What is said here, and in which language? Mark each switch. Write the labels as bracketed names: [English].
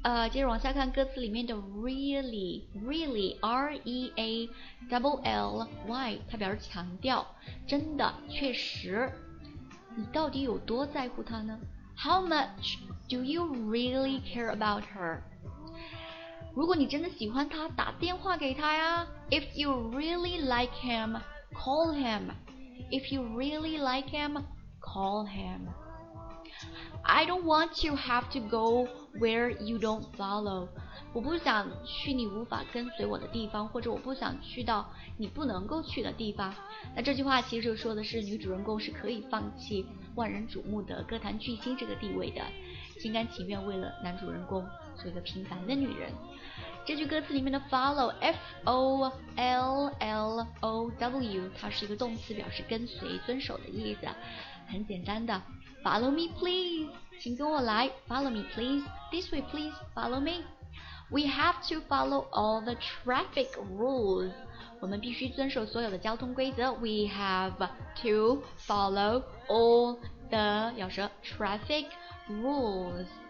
[Chinese] 接着往下看歌词里面的 really， really， R-E-A-L-L-Y， 它表示强调，真的，确实。你到底有多在乎她呢？ [English] How much do you really care about her？ [Chinese] 如果你真的喜欢她，打电话给她呀。 [English] If you really like him， call him。 If you really like him， call him。 I don't want to have to go where you don't follow， [Chinese] 我不想去你无法跟随我的地方，或者我不想去到你不能够去的地方。那这句话其实说的是女主人公是可以放弃万人瞩目的歌坛巨星这个地位的，心甘情愿为了男主人公做一个平凡的女人。这句歌词里面的 follow， F-O-L-L-O-W， 它是一个动词，表示跟随、遵守的意思，很简单的。 [English] Follow me, please. [Chinese] 请跟我来。 [English] Follow me, please. This way, please. Follow me. We have to follow all the traffic rules. [Chinese] 我们必须遵守所有的交通规则。 [English] We have to follow all the, [Chinese] 要说 [English] traffic rules.